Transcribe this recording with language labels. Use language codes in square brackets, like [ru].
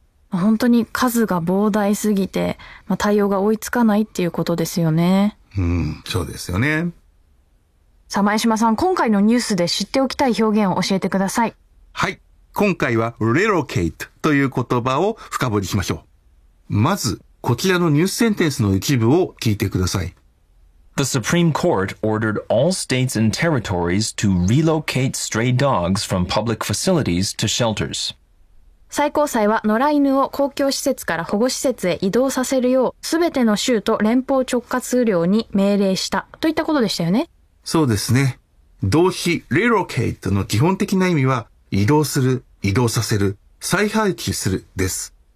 [ja] 本当に数が膨大すぎて、まあ、対応が追いつかないっていうことですよね。そうですよね。さあ、前島さん、今回のニュースで知っておきたい表現を教えてください。はい。今回は relocate という言葉を深掘りしましょう。まず、こちらのニュースセンテンスの一部を聞いてください。 [en] The Supreme Court ordered all states and territories to relocate stray dogs from public facilities to shelters. [ja] 最高裁は野良犬を公共施設から保護施設へ移動させるよう、すべての州と連邦直轄領に命令したといったことでしたよね。そうですね。動詞 relocate の基本的な意味は、移動する、移動させる、再配置するです。